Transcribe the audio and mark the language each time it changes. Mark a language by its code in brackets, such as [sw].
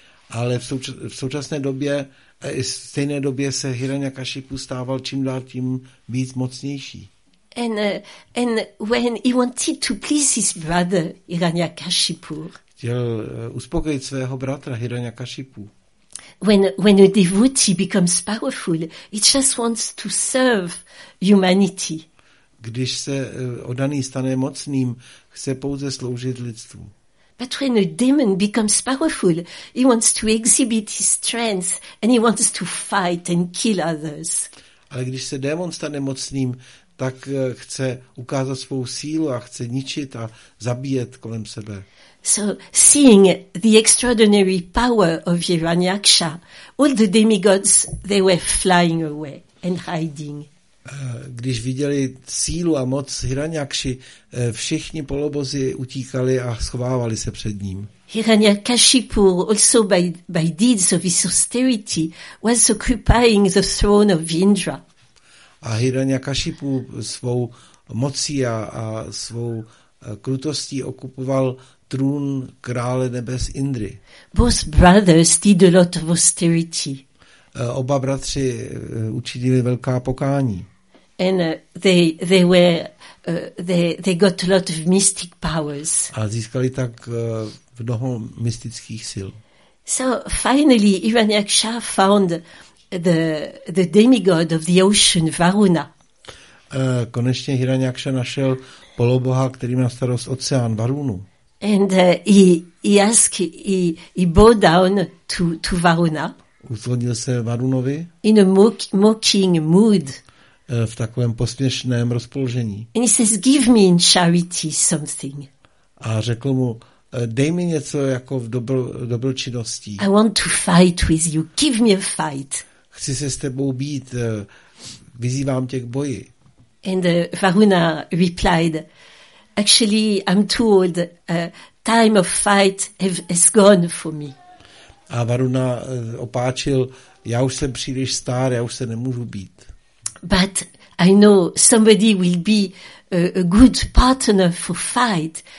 [cs] Ale v současné době, v stejné době se Hiranyakashipu stával čím dál tím víc mocnější. [en] And when he wanted to please his brother Hiranyakashipu. [cs] Chtěl uspokojit svého bratra Hiranyakashipu. [en] When a devotee becomes powerful, he just wants to serve humanity. [cs] Když se oddaný stane mocným, chce pouze sloužit lidstvu. [en] But when a demon becomes powerful, he wants to exhibit his strength and he wants to fight and kill others. [cs] Ale když se démon stane mocným, tak chce ukázat svou sílu a chce ničit a zabíjet kolem sebe. [en] So seeing the extraordinary power of Hiranyaksha, all the demigods, they were flying away and hiding. [cs] Když viděli sílu a moc Hiranyakshi, všichni polobozy utíkali a schovávali se před ním. [en] Hiranyakashipu also by deeds of his austerity was occupying the throne of Indra. [cs] A Hiranyakashipu svou mocí a svou krutostí okupoval trůn krále nebes Indry. [en] Both brothers did a lot of austerity. [cs] Oba bratři učinili velká pokání. [en] And they got a lot of mystic powers. [cs] A získali tak mnoho mystických sil. [en] So finally Hiranyaksha found the demigod of the ocean Varuna. [cs] Konečně Hiranyaksha našel poloboha, který má starost oceán Varunu. [en] And he bowed down to Varuna. [cs] Uklonil se Varunovi. [en] In a mocking mood. [cs] V takovém posměšném rozpoložení. [en] And he says, give me in charity something. [cs] A řekl mu, dej mi něco jako v dobročinnosti. [en] I want to fight with you. Give me a fight. [cs] Chci se s tebou být. Vyzývám tě k boji. [en] And Varuna replied, actually, I'm too old. Time of fight has gone for me. [cs] A Varuna opáčil, já už jsem příliš star, já už se nemůžu být. [en] But I know somebody will be a good partner for fight.